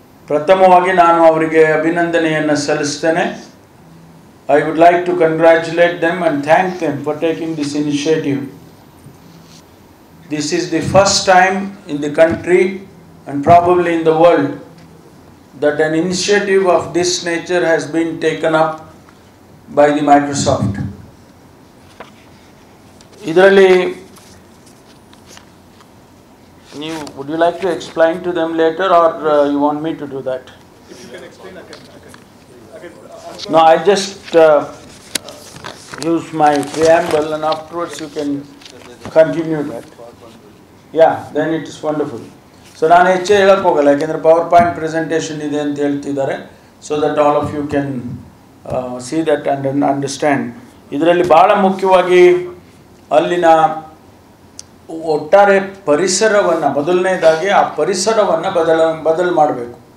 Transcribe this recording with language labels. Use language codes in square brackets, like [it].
[kn] ಪ್ರಥಮವಾಗಿ ನಾನು ಅವರಿಗೆ ಅಭಿನಂದನೆಯನ್ನು ಸಲ್ಲಿಸ್ತೇನೆ. [en] I would like to congratulate them and thank them for taking this initiative. This is the first time in the country and probably in the world that an initiative of this nature has been taken up by the Microsoft. Idralli new would you like to explain to them later or you want me to do that? If you can explain again. No, I just use my preamble and afterwards you can continue that. Yeah, then it is wonderful. [kn] So ನಾನು ಹೆಚ್ಚು ಹೇಳಕ್ಕೆ ಹೋಗಲ್ಲ, ಯಾಕೆಂದರೆ power point presentation ಇದೆ ಅಂತ ಹೇಳ್ತಿದ್ದಾರೆ. [en] So that all of you can see that and understand. [kn] ಇದರಲ್ಲಿ ಭಾಳ ಮುಖ್ಯವಾಗಿ ಅಲ್ಲಿನ ಒಟ್ಟಾರೆ ಪರಿಸರವನ್ನು ಮೊದಲನೇದಾಗಿ ಆ ಪರಿಸರವನ್ನು ಬದಲು ಮಾಡಬೇಕು.